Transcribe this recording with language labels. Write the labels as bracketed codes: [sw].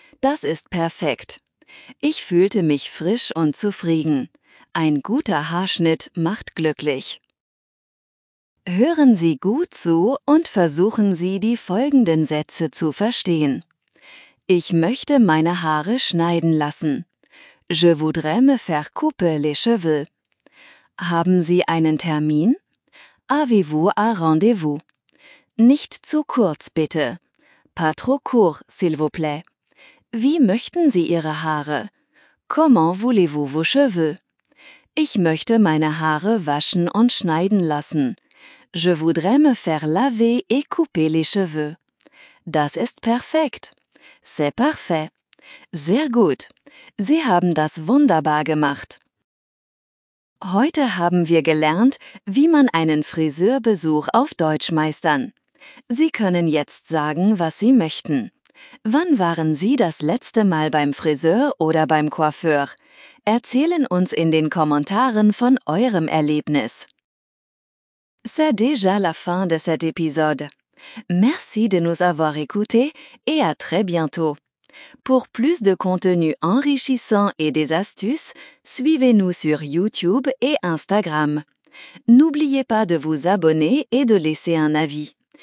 [de] »Das ist perfekt.« Ich fühlte mich frisch und zufrieden. Ein guter Haarschnitt macht glücklich. Hören Sie gut zu und versuchen Sie, die folgenden Sätze zu verstehen. Ich möchte meine Haare schneiden lassen. [fr] Je voudrais me faire couper les cheveux. [de] Haben Sie einen Termin? [fr] Avez-vous un rendez-vous? [de] Nicht zu kurz, bitte. [fr] Pas trop court, s'il vous plaît. [de] Wie möchten Sie Ihre Haare? [fr] Comment voulez-vous vos cheveux? [de] Ich möchte meine Haare waschen und schneiden lassen. [fr] Je voudrais me faire laver et couper les cheveux. [de] Das ist perfekt. [fr] C'est parfait. [de] Sehr gut. Sie haben das wunderbar gemacht. Heute haben wir gelernt, wie man einen Friseurbesuch auf Deutsch meistern. Sie können jetzt sagen, was Sie möchten. Wann waren Sie das letzte Mal beim Friseur oder beim Coiffeur? Erzählen uns in den Kommentaren von eurem Erlebnis. [fr] C'est déjà la fin de cet épisode. Merci de nous avoir écoutés et à très bientôt. Pour plus de contenu enrichissant et des astuces, suivez-nous sur YouTube et Instagram. N'oubliez pas de vous abonner et de laisser un avis.